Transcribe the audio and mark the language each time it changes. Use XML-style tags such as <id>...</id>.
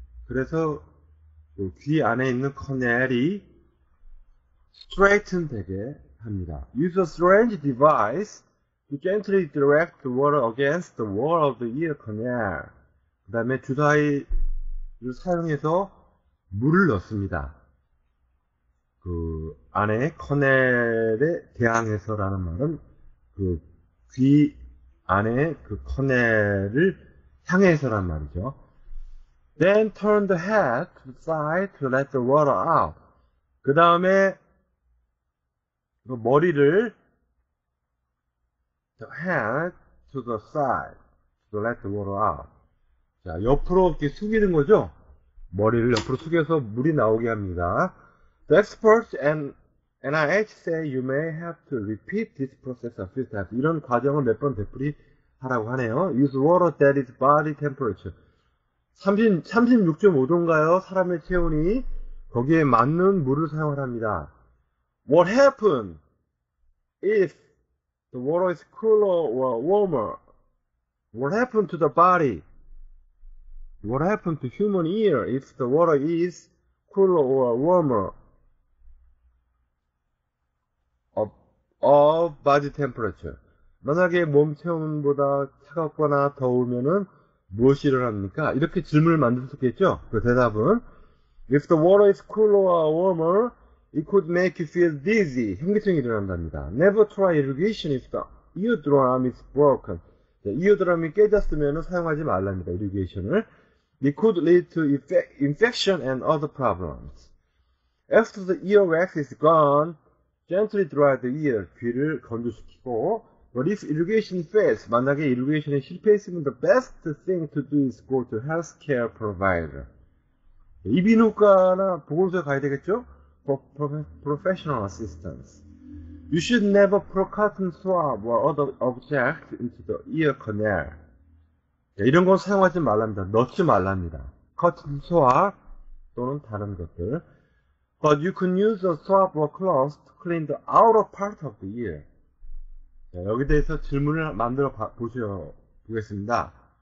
<ko>그래서 귀 안에 있는 커넬이 스트레이튼 되게 합니다.</ko> <en>Use a strange device to gently direct the water against the wall of the ear canal.</en> <ko>그 다음에 주사위를 사용해서 물을 넣습니다. 그 안에 커넬에 대항해서라는 말은 그 귀 안에 그 커넬을 향해서라는 말이죠.</ko> <en>Then turn the head to the side to let the water out.</en> <ko>그 다음에 그 머리를</ko> <en>the head to the side to let the water out.</en> <ko>자, 옆으로 이렇게 숙이는 거죠. 머리를 옆으로 숙여서 물이 나오게 합니다.</ko> <en>The experts and NIH say you may have to repeat this process a few times.</en> <ko>이런 과정을 몇 번 되풀이 하라고 하네요.</ko> <en>Use water that is body temperature.</en> <ko>36.5도인가요? 사람의 체온이 거기에 맞는 물을 사용합니다.</ko> <en>What happened if the water is cooler or warmer? What happened to the body? What happened to human ear if the water is cooler or warmer? of body temperature.</en> <ko>만약에 몸 체온보다 차갑거나 더우면은 무엇이를 합니까? 이렇게 질문을 만들 수 있겠죠? 그 대답은</ko> <en>If the water is cooler or warmer, it could make you feel dizzy.</en> <ko>현기증이 일어난답니다.</ko> <en>Never try irrigation if the eardrum is broken.</en> <ko>네, 이어드럼이 깨졌으면 사용하지 말랍니다. 이리게이션을.</ko> <en>It could lead to infection and other problems. After the earwax is gone, gently dry the ear.</en> <ko>귀를 건조시키고.</ko> <en>But if irrigation fails,</en> <ko>만약에 이리게이션이 실패했으면</ko> <en>the best thing to do is go to healthcare provider.</en> <ko>네, 이비인후과나 보건소에 가야 되겠죠?</ko> <en>For professional assistance. You should never put cotton swab or other object into the ear canal.</en> <ko>이런 건 사용하지 말랍니다. 넣지 말랍니다. Cotton swab 또는 다른 것들.</ko> <en>But you can use a swab or cloth to clean the outer part of the ear.</en> <ko>여기 대해서 질문을 만들어 보셔 보겠습니다.</ko>